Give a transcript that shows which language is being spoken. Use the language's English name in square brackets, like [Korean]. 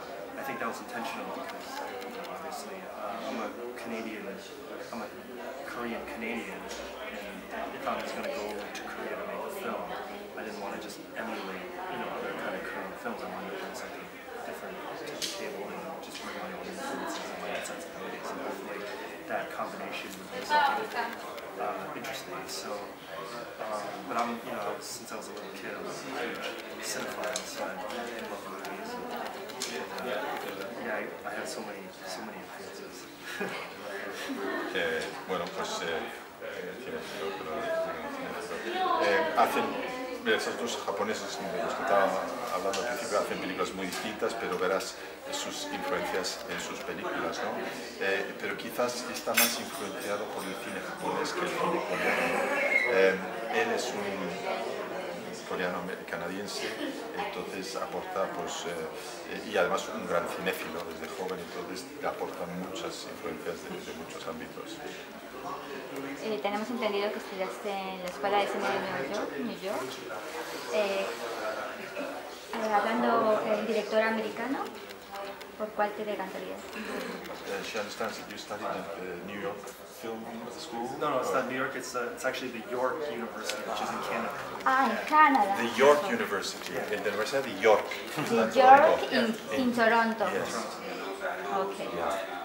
[English] And I think that was intentional because, you know, obviously, I'm a Korean Canadian, and if I was going to go over to Korea to make a film, I didn't want to just emulate, you know, other kind of Korean films. I wanted to bring something different to the table and just bring my own influences and my own sensibilities, and hopefully that combination would be something interesting. So, but I'm, you know, since I was a little kid, I was a huge cinephile, so I love movies. I have so many influences. [Spanish] Que bueno, pues tiene sentido, pero hacen esos dos japoneses de los que estaba hablando al principio, hacen películas muy distintas, pero verás sus influencias en sus películas, ¿no? Pero quizás está más influenciado por el cine japonés que el cine coreano. Él es un coreano canadiense, entonces aporta, pues, y además un gran cinéfilo desde joven, entonces te aporta muchas influencias de muchos ámbitos. Tenemos entendido que estudiaste en la Escuela de Cine de New York. Hablando del director americano, ¿por cuál te decantarías? [English] She understands that you studied in New York Film School. No, no, it's not New York. It's actually the York University, which is in Canada. Ah, in Canada. The York University. Yeah. The University of York. The York in Toronto. Yes. Okay. Yeah.